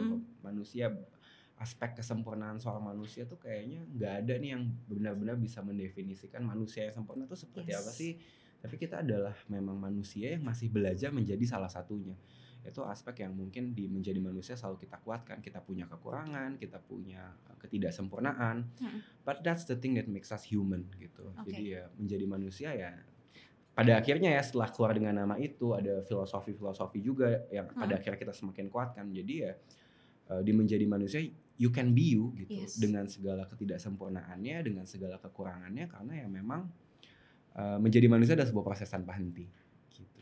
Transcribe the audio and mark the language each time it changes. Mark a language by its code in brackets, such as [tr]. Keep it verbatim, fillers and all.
[id] bahwa manusia, aspek kesempurnaan seorang manusia tuh kayaknya nggak ada nih yang benar-benar bisa mendefinisikan manusia yang sempurna tuh seperti yes. apa sih. Tapi kita adalah memang manusia yang masih belajar menjadi salah satunya. itu aspek yang mungkin di menjadi manusia selalu kita kuatkan. Kita punya kekurangan, kita punya ketidaksempurnaan, Mm-mm. [en] but that's the thing that makes us human gitu. [id] Oke. Jadi ya menjadi manusia ya pada akhirnya ya setelah keluar dengan nama itu ada filosofi-filosofi juga yang pada Mm-mm. akhirnya kita semakin kuatkan. Jadi ya eh, di menjadi manusia [en] you can be you [id] gitu, [en] Yes. [id] dengan segala ketidaksempurnaannya, dengan segala kekurangannya, karena ya memang eh, menjadi manusia adalah sebuah proses tanpa henti gitu sih.